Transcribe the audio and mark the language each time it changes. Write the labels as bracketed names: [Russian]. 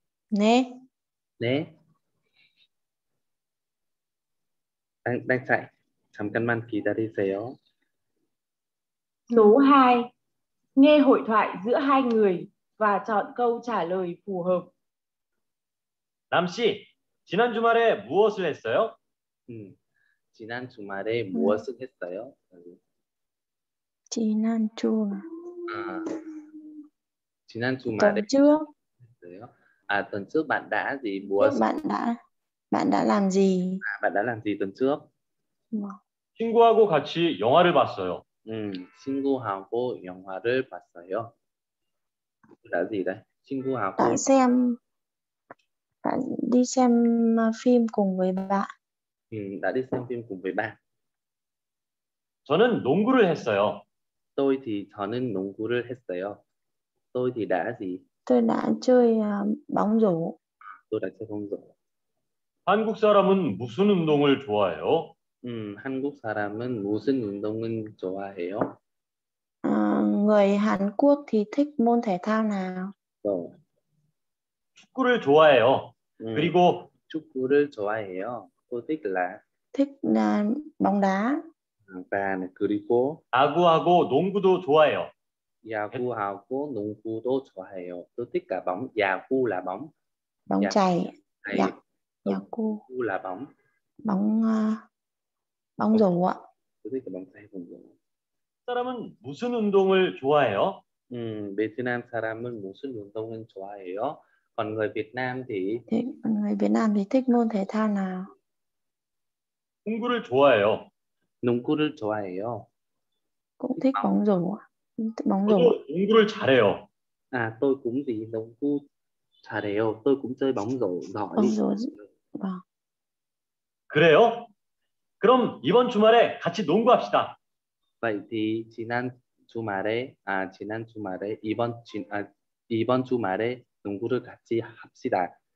[Vietnamese] Nè. Nè. Đang chạy. [Korean] 잠깐만 기다리세요. [Vietnamese] Số 2. Nghe hội thoại giữa hai người và chọn câu trả lời phù hợp. [Korean] Nam 씨, 지난 주말에 무엇을 했어요? 지난 주말에 무엇을 했어요? 지난 주. 지난 주말에. 전 주요? [Vietnamese] 아, 전 trước bạn đã gì muốn? Bạn đã làm gì? À, bạn đã làm gì tuần trước? [Korean] 친구하고 같이 영화를 봤어요. 친구하고 영화를 봤어요. 나지 đây. 친구하고 [Vietnamese] bạn xem bạn đi xem phim cùng với bạn. Đã đi xem phim cùng với bạn. [Korean] 저는 농구를 했어요. [Vietnamese] Tôi thì [Korean] 저는 농구를 했어요. [Vietnamese] Tôi thì đã gì? Tôi đã chơi bóng rổ. Tôi đã chơi bóng rổ. [Korean] 한국 사람은 무슨 운동을 좋아해요? 한국 사람은 무슨 운동을 좋아해요? [Vietnamese] Người Hàn Quốc thì thích môn thể thao nào? [Korean] 축구를 좋아해요. 그리고 축구를 좋아해요. [Vietnamese] Tôi thích là thích là bóng đá. Và 그리고 [Korean] 야구하고 농구도 좋아해요. 야구하고 농구도 좋아해요. [Vietnamese] Tôi thích cả bóng 야구 là bóng. Bóng chày. 야구. 야구 là bóng. Bóng rổ ạ. Tôi thích cả bóng chày cùng rổ. [Korean] 사람은 무슨 운동을 좋아해요? Việt Nam 사람은 무슨 운동을 좋아해요? [Vietnamese] Còn người Việt Nam thì người Việt Nam thì thích môn thể thao nào? [Korean] 농구를 좋아해요. 농구를 좋아해요. [Vietnamese] Cũng thích bóng rổ ạ. Bóng rổ. [Korean] 농구를 잘해요. [Vietnamese] À tôi cũng gì [Korean] 농구 잘해요. [Vietnamese] Tôi cũng chơi bóng rổ giỏi. Bóng rổ. Vâng. [Korean] 그래요? 그럼 이번 주말에 같이 농구합시다. [Vietnamese] Vậy thì [Korean] 지난 주말에 à 지난 주말에 이번 주 à 이번 주말에 농구를 같이 합시다.